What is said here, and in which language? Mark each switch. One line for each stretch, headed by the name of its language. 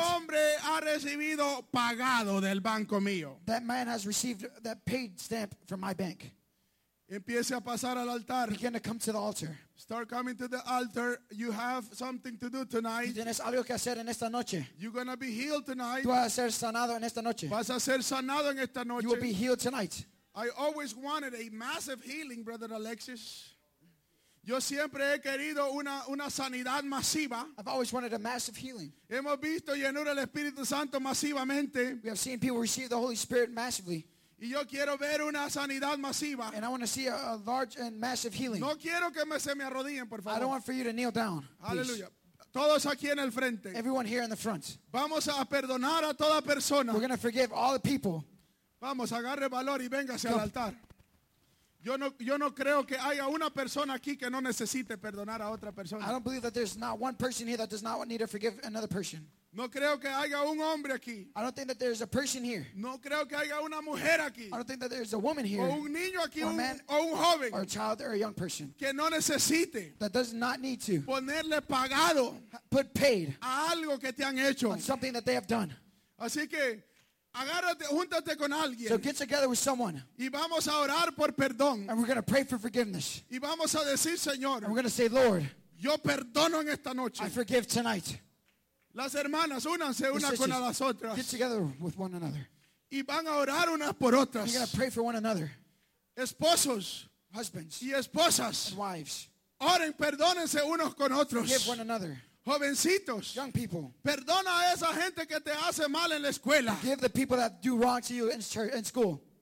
Spanish: este hombre ha recibido pagado del banco mío.
English: That man has received that paid stamp from my bank.
Spanish: Empiece a pasar al altar.
English: Begin to come to the altar. Start coming to the altar. You have something to do tonight.
Spanish: Tienes algo que hacer en esta noche.
English: You're gonna be healed tonight.
Spanish: Tú vas a ser sanado en esta noche. Vas a ser sanado en esta noche.
English: You will be healed tonight. I always wanted a massive healing, Brother Alexis.
Spanish: Yo siempre he querido una sanidad masiva.
English: I've always wanted a massive healing.
Spanish: Hemos visto llenura del Espíritu Santo masivamente.
English: We have seen people receive the Holy Spirit massively.
Spanish: Y yo quiero ver una sanidad masiva.
English: And I want to see a large and massive healing.
Spanish: No quiero que se me arrodillen, por favor.
English: I don't want for you to kneel down.
Spanish: Aleluya. Todos aquí en el frente.
English: Everyone here in the front.
Spanish: Vamos a perdonar a toda persona.
English: We're going to forgive all the people.
Spanish: Vamos, agarre valor y véngase al altar. Yo no creo que haya una persona aquí que no necesite perdonar a otra persona.
English: I don't believe that there's not one person here that does not need to forgive another person.
Spanish: No creo que haya un hombre aquí.
English: I don't think that there's a person here.
Spanish: No creo que haya una mujer aquí.
English: I don't think that there's a woman here.
Spanish: O un niño aquí, o un joven.
English: Or a child or a young person.
Spanish: Que no necesite.
English: That does not need to.
Spanish: Ponerle pagado.
English: Put paid.
Spanish: A algo que te han hecho.
English: On something that they have done.
Spanish: Así que. Agárrate, júntate con alguien.
English: So get together with someone.
Spanish: Y vamos a orar por perdón.
English: And we're going to pray for forgiveness.
Spanish: Y vamos a decir, Señor.
English: And we're going to say, Lord.
Spanish: Yo perdono en esta noche.
English: I forgive tonight.
Spanish: Las hermanas, únanse unas con las otras.
English: Get together with one another.
Spanish: Y van a orar unas por otras.
English: You're going to pray for one another.
Spanish: Esposos,
English: husbands,
Spanish: y esposas,
English: and wives.
Spanish: Oren, perdónense unos con otros.
English: Forgive one another.
Spanish: Jovencitos,
English: young people,
Spanish: perdona a esa gente que te hace mal en la escuela.
English: Forgive the people that do wrong to you in church, in school.